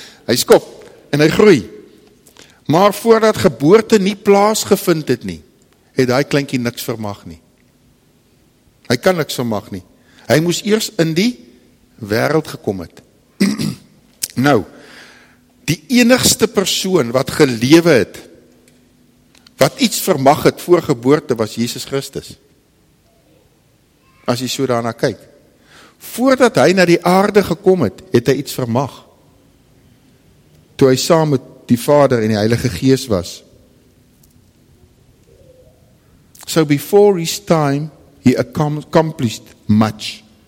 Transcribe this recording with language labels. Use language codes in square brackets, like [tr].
[af] Hy skop en hy groei. Maar voordat geboorte nie plaasgevind het nie, het daai kleintjie niks vermag nie. Hy kan niks vermag nie. Hy moes eers in die wêreld gekom het. Nou, die enigste persoon wat gelewe het, wat iets vermag het voor geboorte, was Jesus Christus. As jy so daarna kyk. Voordat hy na die aarde gekom het, het hy iets vermag. Toe hy saam met die Vader en die Heilige Gees was. [en] So before his time, he accomplished much.